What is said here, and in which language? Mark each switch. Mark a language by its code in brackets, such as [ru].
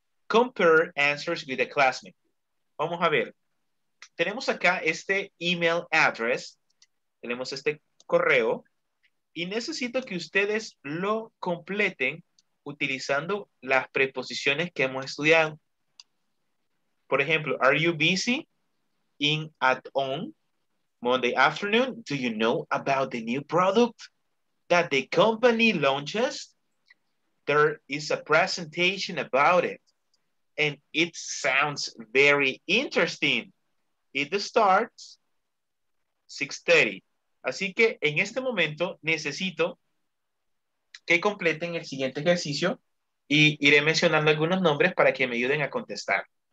[en] Compare answers with a classmate. [es] Vamos a ver. Tenemos acá este email address, tenemos este correo, y necesito que ustedes lo completen utilizando las preposiciones que hemos estudiado. Por ejemplo, [en] are you busy in at on Monday afternoon? Do you know about the new product that the company launches? There is a presentation about it, and it sounds very interesting. It starts 6:30. [es] Así que en este momento necesito que completen el siguiente ejercicio y iré mencionando algunos nombres para que me ayuden a contestar.